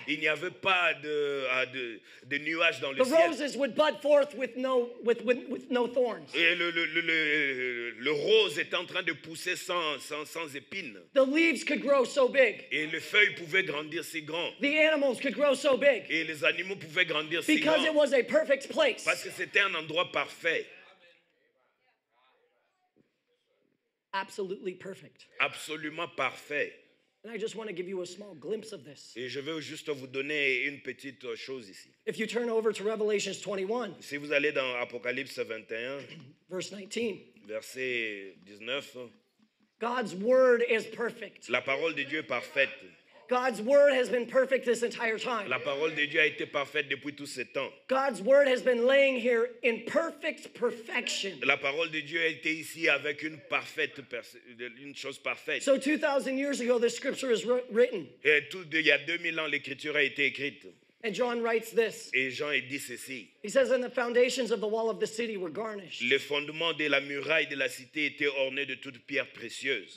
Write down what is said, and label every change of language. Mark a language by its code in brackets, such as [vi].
[fr] Il n'y avait pas de nuages dans le [en] the [fr] ciel. [en] The roses would bud forth with no thorns. [fr] Et le rose est en train de pousser sans épines. [en] The leaves could grow so big. [fr] Et les feuilles pouvaient grandir si grand. [en] The animals could grow so big. [fr] Et les animaux pouvaient grandir si grand. [en] Because it was a perfect place. [fr] Parce que c'était un endroit parfait. [en] Absolutely perfect. [fr] Absolument parfait. [en] And I just want to give you a small glimpse of this. [fr] Et je veux juste vous donner une petite chose ici. [en] If you turn over to Revelation 21. [fr] Si vous allez dans Apocalypse 21. [en] Verse 19. [fr] Verset 19. [en] God's word is perfect. [fr] La parole de Dieu est parfaite. [en] God's word has been perfect this entire time. [fr] La parole de Dieu a été parfaite depuis tout ce temps. [en] God's word has been laying here in perfect perfection. [fr] La parole de Dieu a été ici avec une chose parfaite. [en] So 2,000 years ago, the scripture is written. [fr] Et il y a 2,000 ans, l'écriture a été écrite. [en] And John writes this. [fr] Et Jean dit ceci. [en] He says, and the foundations of the wall of the city were garnished. [fr] Les fondements de la muraille de la cité étaient ornés de toutes pierres précieuses.